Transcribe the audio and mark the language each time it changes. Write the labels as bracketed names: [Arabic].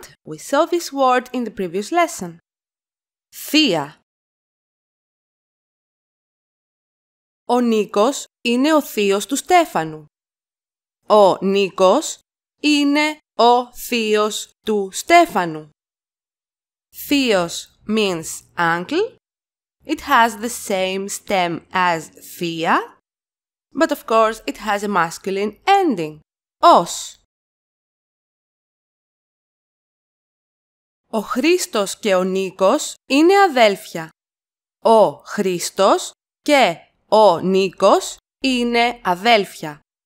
[English] We saw this word in the previous lesson. [Greek] Θεία. Ο Νίκος είναι ο θείος του Στέφανου. Ο Νίκος είναι ο θείος του Στέφανου. [English] Θείος means uncle. It has the same stem as θεία. But of course, it has a masculine ending. [Greek] Ως. Ο Χρήστος και ο Νίκος είναι αδέλφια. Ο Χρήστος και ο Νίκος είναι αδέλφια.